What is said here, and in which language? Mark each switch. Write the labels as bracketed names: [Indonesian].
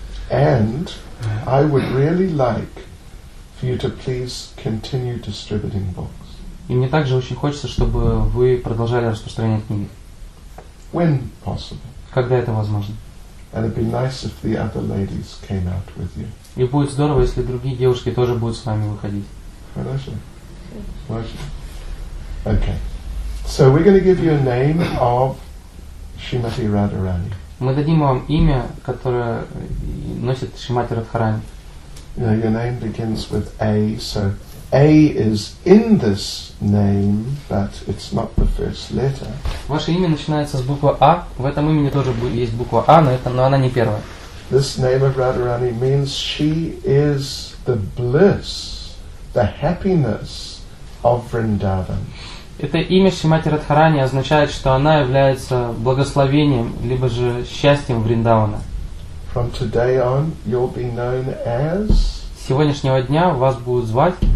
[English] And I would really like for you to please continue distributing books. [Russian] И мне также очень хочется, чтобы вы продолжали распространять книги. [English] When possible. [Russian] Когда это возможно? [English] And it'd be nice if the other ladies came out with you. [Russian] И будет здорово, если другие девушки тоже будут с вами выходить. Хорошо. Хорошо. Okay. [English] So we're going to give you a name of Shrimati Radharani. [Russian] Мы дадим вам имя, которое носит Шримати Радхарани. [English] You know, your name begins with A, so A is in this name, but it's not the first letter. [Russian] Ваше имя начинается с буквы А. В этом имени тоже есть буква А, но она не первая. [English] This name of Radharani means she is the bliss, the happiness of Vrindavan. [Russian] это имя Шримати Радхарани означает, что она является благословением, либо же счастьем Вриндавана. [English] From today on, you'll be known as... [Russian] С сегодняшнего дня вас будут звать...